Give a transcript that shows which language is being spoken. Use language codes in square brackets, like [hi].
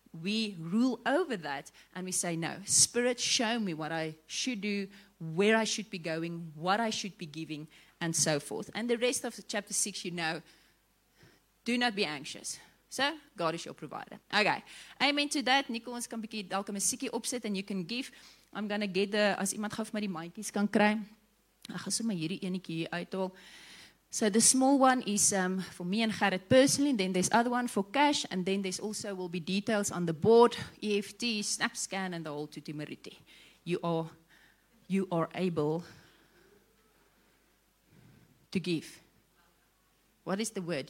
[en] We rule over that, and we say, no, Spirit, show me what I should do, where I should be going, what I should be giving, and so forth. And the rest of chapter 6, you know, do not be anxious. So, God is your provider. Okay. Amen to that. Nico, [af] ons kan bietjie dalk 'n musiekie opsit [en] and you can give. I'm going to get the, [af] as iemand gou vir my die maandjies kan kry. Ek gaan sommer hierdie enetjie hier uithaal. [en] So, the small one is for me and Gerrit personally, then there's other one for cash, and then there's also will be details on the board, EFT, snap scan, and the whole tutimeriti. You are able to give. What is the word?